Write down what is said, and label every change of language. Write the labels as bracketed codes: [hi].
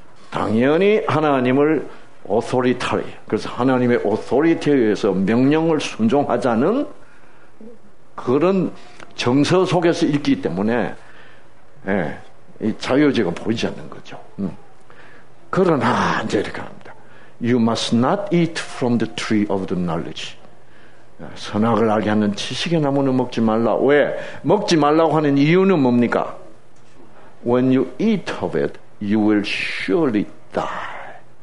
[ko] 당연히 하나님을 authority, 그래서 하나님의 authority에 의해서 명령을 순종하자는 그런 정서 속에서 읽기 때문에 이 자유의지가 보이지 않는 거죠. 그러나 이제 이렇게 합니다. [en] You must not eat from the tree of the knowledge. [ko] 선악을 알게 하는 지식의 나무는 먹지 말라. 왜? 먹지 말라고 하는 이유는 뭡니까? [en] When you eat of it, you will surely die.